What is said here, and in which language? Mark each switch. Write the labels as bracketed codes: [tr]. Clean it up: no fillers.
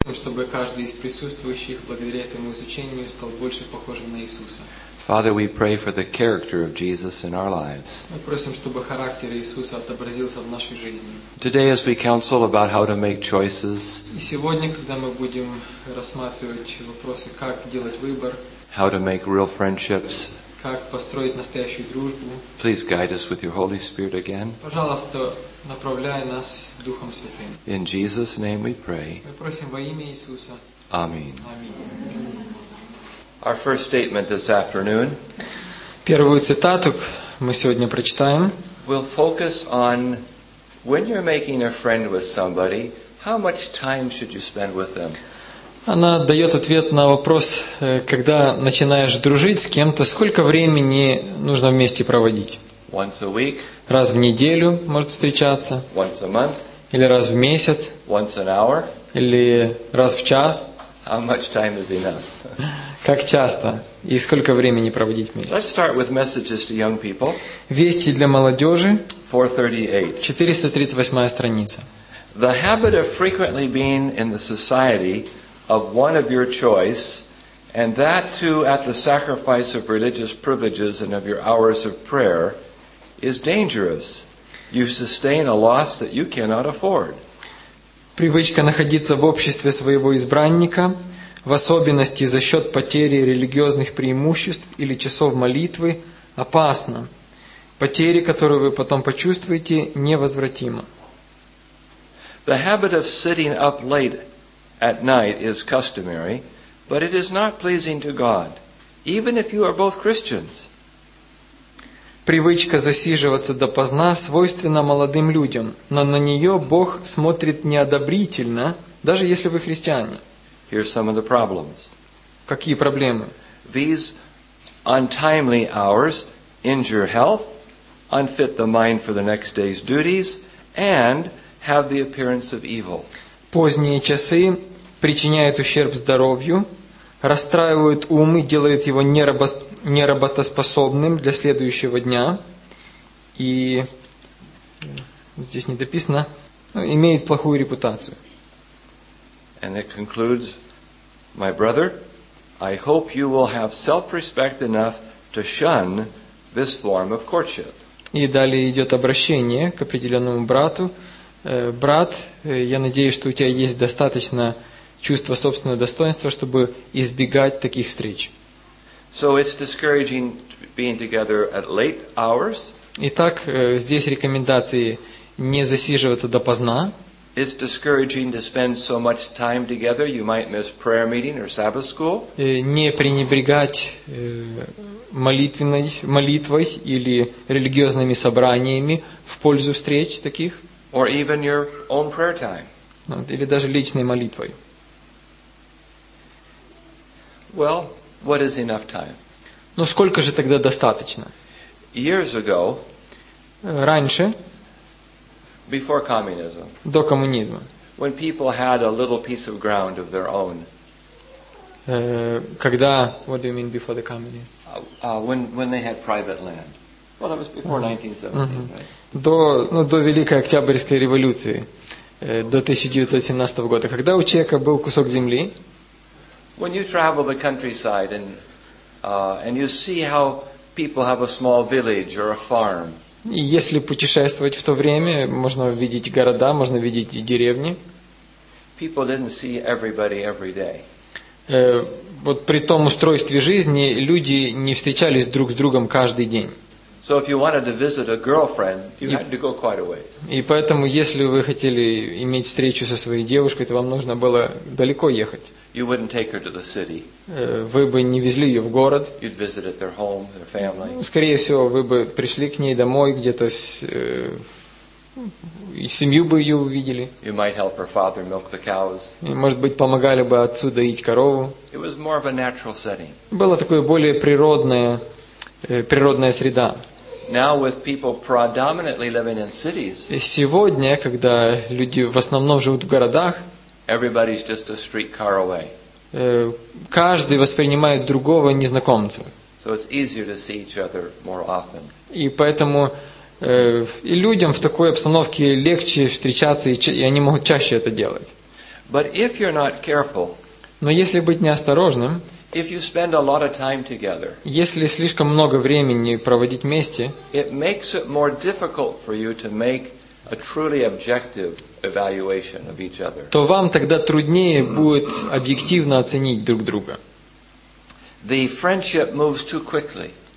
[ru] чтобы каждый из присутствующих благодаря этому изучению стал больше похожим на Иисуса. [en] Father, we pray for the character of Jesus in our lives. [ru] Мы просим, чтобы характер Иисуса отобразился в нашей жизни. [en] Today, as we counsel about how to make choices, [ru] и сегодня, когда мы будем рассматривать вопросы, как делать выбор, [en] how to make real friendships, [ru] как построить настоящую дружбу, [en] please guide us with your Holy Spirit again. [ru] Пожалуйста, направляй нас Духом Святым. [en] In Jesus' name we pray. [ru] Мы просим во имя Иисуса. [en] Amen. Amen. Our first statement this afternoon. [ru] Первую цитату мы сегодня прочитаем. [en] We'll focus on when you're making a friend with somebody, how much time should you spend with them? [ru] Она дает ответ на вопрос, когда начинаешь дружить с кем-то, сколько времени нужно вместе проводить? [en] Once a week. [ru] Раз в неделю может встречаться? [en] Once a month. [ru] Или раз в месяц? [en] Once an hour. [ru] Или раз в час? [en] How much time is enough? [ru] Как часто и сколько времени проводить вместе? [en] Let's start with messages to young people. [ru] Вести для молодежи. [en] 438. [ru] 438 страница. [en] The habit of frequently being in the society of one of your choice, and that too at the sacrifice of religious privileges and of your hours of prayer, is dangerous. You sustain a loss that you cannot afford. [ru] Привычка находиться в обществе своего избранника, в особенности за счет потери религиозных преимуществ или часов молитвы, опасна. Потери, которые вы потом почувствуете, невозвратимы. [en] The habit of sitting up late at night is customary, but it is not pleasing to God, even if you are both Christians. [ru] Привычка засиживаться допоздна свойственна молодым людям, но на нее Бог смотрит неодобрительно, даже если вы христиане. [en] Here's some of the problems. [ru] Какие проблемы? [en] These untimely hours injure health, unfit the mind for the next day's duties, and have the appearance of evil. [ru] Поздние часы причиняют ущерб здоровью, расстраивают ум и делают его неработоспособным для следующего дня. И здесь недописано, имеет плохую репутацию. [en] And it concludes, my brother, I hope you will have self-respect enough to shun this form of courtship. [ru] И далее идет обращение к определенному брату. Брат, я надеюсь, что у тебя есть достаточно чувства собственного достоинства, чтобы избегать таких встреч. [en] So it's discouraging being together at late hours. [ru] Итак, здесь рекомендации не засиживаться допоздна. [en] It's discouraging to spend so much time together, you might miss prayer meeting or Sabbath school. [ru] Не пренебрегать молитвой или религиозными собраниями в пользу встреч таких. [en] Or even your own prayer time. [ru] Или даже личной молитвой. [en] Well, what is enough time? [ru] Но сколько же тогда достаточно? [en] Years ago, [ru] раньше, [en] before communism, [ru] до коммунизма, [en] when people had a little piece of ground of their own, [ru] когда, [en] what do you mean before the communism? When they had private land. Well, that was before 1917, right? [ru] До Великой Октябрьской революции, до 1917 года, когда у человека был кусок земли. [en] When you travel the countryside and you see how people have a small village or a farm. [ru] И если путешествовать в то время, можно видеть города, можно видеть деревни. [en] People didn't see everybody every day. [ru] Вот при том устройстве жизни люди не встречались друг с другом каждый день. [en] So if you wanted to visit a girlfriend, you had to go quite a ways. [ru] И поэтому, если вы хотели иметь встречу со своей девушкой, то вам нужно было далеко ехать. [en] You wouldn't take her to the city. [ru] Вы бы не везли ее в город. [en] You'd visit at their home, their family. [ru] Скорее всего, вы бы пришли к ней домой, где-то семью бы ее увидели. [en] You might help her father milk the cows. [ru] И, может быть, помогали бы отцу доить корову. [en] It was more of a natural setting. [ru] Было такое более природная среда. [en] Now with people predominantly living in cities. [ru] Сегодня, когда люди в основном живут в городах. [en] Everybody's just a streetcar away. [ru] Каждый воспринимает другого незнакомца. [en] So it's easier to see each other more often. [ru] И поэтому и людям в такой обстановке легче встречаться, и они могут чаще это делать. [en] But if you're not careful, [ru] но если быть неосторожным, [en] if you spend a lot of time together, [ru] если слишком много времени проводить вместе, [en] it makes it more difficult for you to make a truly objective evaluation of each other. [ru] То вам тогда труднее будет объективно оценить друг друга. [en] The friendship moves too quickly.